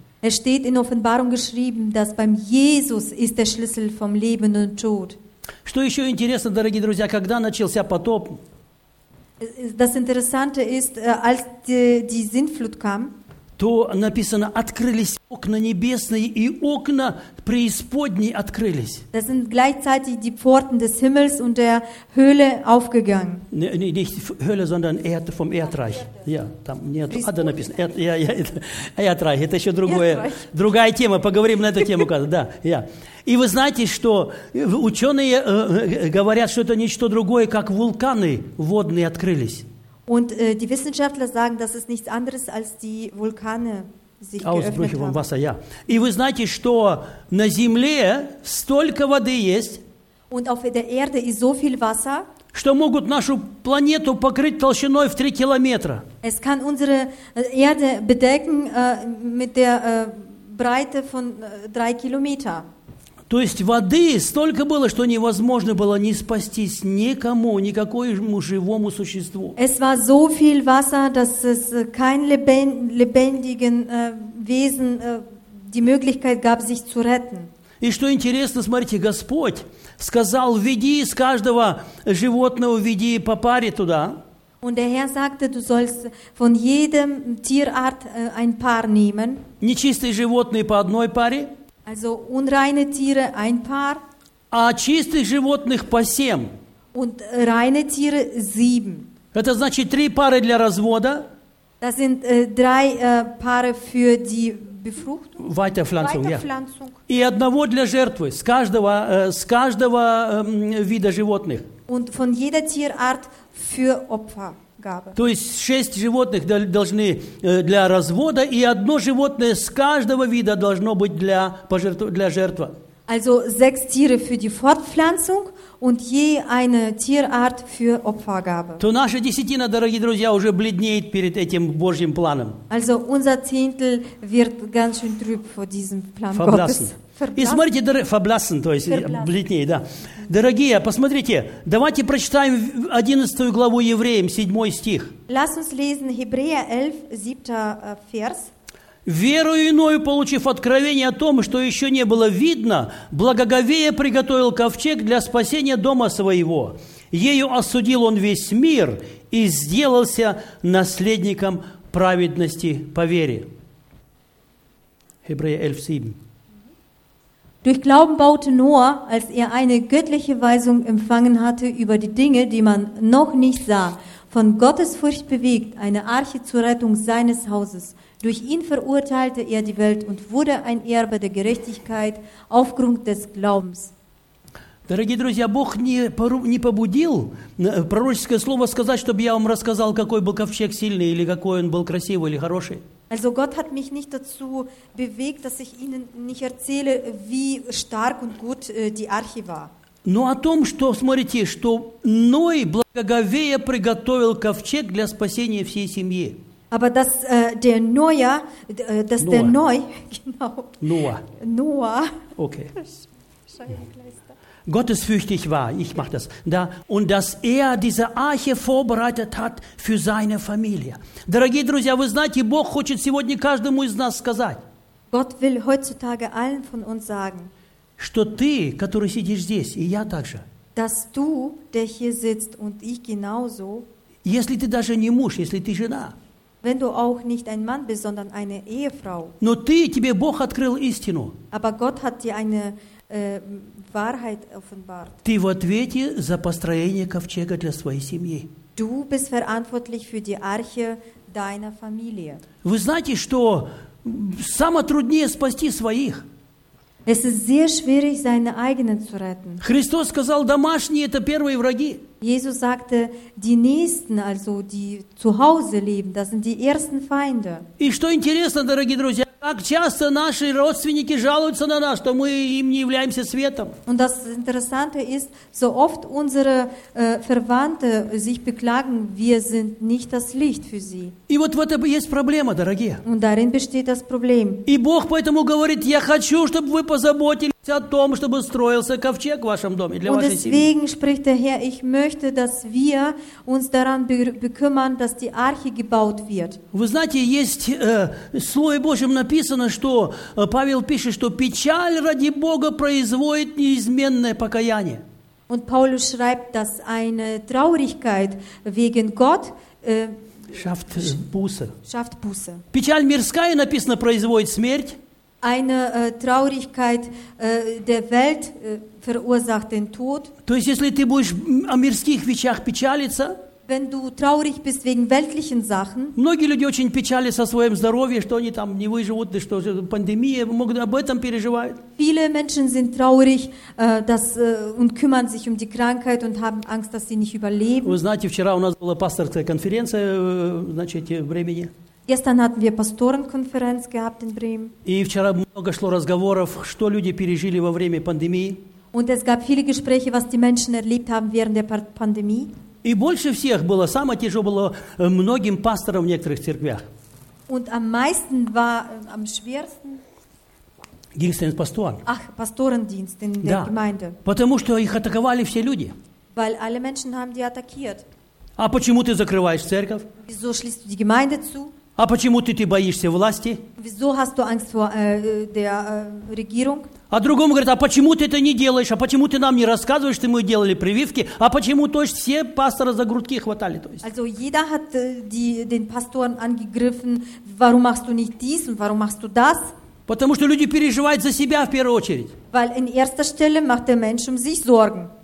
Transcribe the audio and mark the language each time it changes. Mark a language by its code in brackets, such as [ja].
[de] Es steht in Offenbarung geschrieben, dass beim Jesus ist der Schlüssel vom Leben und Tod. [ru] Что еще интересно, дорогие друзья, когда начался потоп? [de] Das Interessante ist, als die Sintflut kam, [ru] то написано, открылись окна небесные и окна преисподней открылись. [de] Das sind gleichzeitig die Pforten des Himmels und der Höhle aufgegangen. Nee, nicht Höhle, sondern vom Erdreich. Ja, [ru] там нет ада написано. Erdreich, это еще другое, другая тема. Поговорим на эту тему, да, я. И вы знаете, что ученые говорят, что это нечто другое, как вулканы водные открылись. [de] Und die Wissenschaftler sagen, dass es nichts anderes als die Vulkane sich geöffnet haben. Wasser, ja. [ru] И вы знаете, что на земле столько воды есть? [de] Und auf der Erde ist so viel Wasser, [ru] что могут нашу планету покрыть толщиной в 3 километра. [de] Es kann unsere Erde bedecken mit der Breite von 3 Kilometer. [ru] То есть воды столько было, что невозможно было не спастись никому, никакому живому существу. [de] Es war so viel Wasser, dass es kein lebendigen Wesen die Möglichkeit gab, sich zu retten. [ru] И что интересно, смотрите, Господь сказал: веди из каждого животного, веди по паре туда. [de] Und der Herr sagte, du sollst von jedem Tierart ein Paar nehmen. [ru] Нечистые животные по одной паре. [de] Also unreine Tiere ein Paar. [ru] А чистых животных по 7. [de] Und reine Tiere 7. [ru] Это значит 3 пары для развода. [de] Das sind drei Paare für die Befruchtung. Weiterpflanzung, ja. [ru] И одного для жертвы, с каждого вида животных. [de] Und von jeder Tierart für Opfergabe. [ru] То есть 6 животных должны для развода, и одно животное с каждого вида должно быть для жертвы. [de] Also 6 Tiere für die Fortpflanzung und je eine Tierart für Opfergabe. [ru] То наша десятина, дорогие друзья, уже бледнеет перед этим Божьим планом. [de] Also unser Zehntel wird ganz schön trüb vor diesem Plan verblassen. Gottes. Verblassen. [ru] И смотрите, [de] verblassen, [ru] то есть verblassen. Бледнеет, да. Дорогие, посмотрите, давайте прочитаем 11 главу Евреям, 7 стих. [de] Lass uns lesen Hebräer 11, 7 Vers. [ru] «Верою иною, получив откровение о том, что еще не было видно, благоговея приготовил ковчег для спасения дома своего. Ею осудил он весь мир и сделался наследником праведности по вере». [de] Hebräer 11, 7. Durch Glauben baute Noah, als er eine göttliche Weisung empfangen hatte über die Dinge, die man noch nicht sah, von Gottes Furcht bewegt, eine Arche zur Rettung seines Hauses. Durch ihn verurteilte er die Welt und wurde ein Erbe der Gerechtigkeit aufgrund des Glaubens. [ru] Дорогие друзья, Бог не побудил пророческое слово сказать, чтобы я вам рассказал, какой был ковчег сильный или какой он был красивый или хороший. [de] Also Gott hat mich nicht dazu bewegt, dass ich Ihnen nicht erzähle, wie stark und gut die Arche war. [ru] Но о том, что, смотрите, что Ной благоговея приготовил ковчег для спасения всей семьи. [de] Aber dass der Noah, dass Noah. Der Noi, genau. Noah. Noah. Okay. Gottesfürchtig war, ich mache das, da, und dass er diese Arche vorbereitet hat für seine Familie. [ru] Дорогие друзья, вы знаете, Бог хочет сегодня каждому из нас сказать. [de] Gott will heutzutage allen von uns sagen, [ru] что ты, который сидишь здесь, и я также, [de] dass du, der hier sitzt, und ich genauso, [ru] если ты даже не муж, если ты жена, [de] wenn du auch nicht ein Mann bist, sondern eine Ehefrau, [ru] но ты, тебе Бог открыл истину, [de] aber Gott hat dir eine Wahrheit offenbart. [ru] Ты в ответе за построение ковчега для своей семьи. [de] Du bist verantwortlich für die Arche deiner Familie. [ru] Вы знаете, что самое труднее спасти своих. [de] Es ist sehr schwierig, seine eigenen zu retten. [ru] Христос сказал, домашние – это первые враги. [de] Jesus sagte, die Nächsten, also die zu Hause leben, das sind die ersten Feinde. [ru] И что интересно, дорогие друзья, Как часто наши родственники жалуются на нас, что мы им не являемся светом. [de] Und das Interessante ist, so oft unsere Verwandte sich beklagen, wir sind nicht das Licht für sie. [ru] И вот в этом есть проблема, дорогие. [de] Und darin besteht das Problem. [ru] И Бог поэтому говорит, я хочу, чтобы вы позаботились о том, чтобы строился ковчег в вашем доме для [de] Und [ru] вашей семьи. [de] Und deswegen spricht der Herr, ich möchte, dass wir uns daran bekümmern, dass die Arche gebaut wird. [ru] Вы знаете, есть Слово Божьем написано, что Павел пишет, что печаль ради Бога производит неизменное покаяние. [de] Und Paulus schreibt, dass eine Traurigkeit wegen Gott schafft Buße. [ru] Печаль мирская, написано, производит смерть. [de] Eine Traurigkeit der Welt verursacht den Tod. [ru] То есть, если ты будешь о мирских вещах печалиться, [de] Wenn du traurig bist wegen weltlichen Sachen. [ru] Многие люди очень печалятся о своем здоровье, что они там не выживут, что пандемия, могут об этом переживают. [de] Viele Menschen sind traurig, dass und kümmern sich um die Krankheit und haben Angst, dass sie nicht überleben. [ru] Вы знаете, вчера у нас была пасторская конференция, значит, в Бремене. [de] Gestern hatten wir Pastorenkonferenz gehabt in Bremen. [ru] И вчера много шло разговоров, что люди пережили во время пандемии. [de] Und es gab viele Gespräche, was die Menschen erlebt haben während der Pandemie. [ru] И больше всех было, самое тяжелое было многим пасторам в некоторых церквях. [de] Und am meisten war, am schwersten... Dienstdienst [ru] пастор. [de] Ach, Pastorendienst in der Gemeinde. [ru] Потому что их атаковали все люди. [de] Weil alle Menschen haben die attackiert. [ru] А почему ты закрываешь церковь? [de] Wieso schließt du die Gemeinde zu? [ru] А почему ты боишься власти? [de] Wieso hast du Angst vor der Regierung? [ru] А другому говорят, а почему ты это не делаешь? А почему ты нам не рассказываешь, что мы делали прививки? А почему, то есть, все пастора за грудки хватали? То есть? [de] Also, jeder hat den Pastoren angegriffen. Warum machst du nicht dies und warum machst du das? [ru] Потому что люди переживают за себя в первую очередь. [de] Weil in erster Stelle macht der Mensch um sich Sorgen.